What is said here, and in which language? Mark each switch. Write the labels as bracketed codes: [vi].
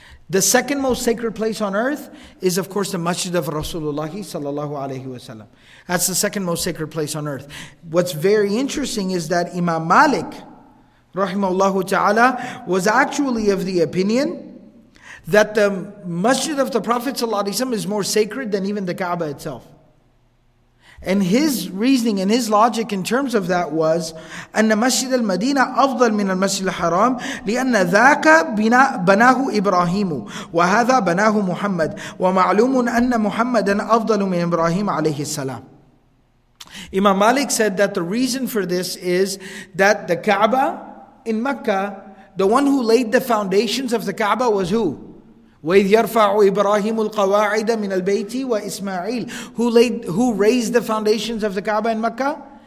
[en] The second most sacred place on earth is of course the Masjid of Rasulullah sallallahu alayhi wa sallam. That's the second most sacred place on earth. What's very interesting is that Imam Malik, rahimahullahu ta'ala, was actually of the opinion that the Masjid of the Prophet sallallahu alayhi wa sallam is more sacred than even the Kaaba itself. And his reasoning and his logic in terms of that was, [ar] أَنَّ مَسْجِدَ الْمَدِينَةَ أَفْضَلْ مِنَ الْمَسْجِدِ الْحَرَامِ لِأَنَّ ذَاكَ بَنَاهُ إِبْرَاهِيمُ وَهَذَا بَنَاهُ مُحَمَّدْ وَمَعْلُومٌ أَنَّ مُحَمَّدًا أَفْضَلُ مِنْ إِبْرَاهِيمَ عَلَيْهِ السَّلَامِ. [en] Imam Malik said that the reason for this is that the Kaaba in Mecca, the one who laid the foundations of the Kaaba was who? [ar] وَإِذْ يَرْفَعُ إِبْرَاهِيمُ الْقَوَاعِدَ مِنَ الْبَيْتِ وَإِسْمَعِيلُ [en] who raised the foundations of the Kaaba in Mecca?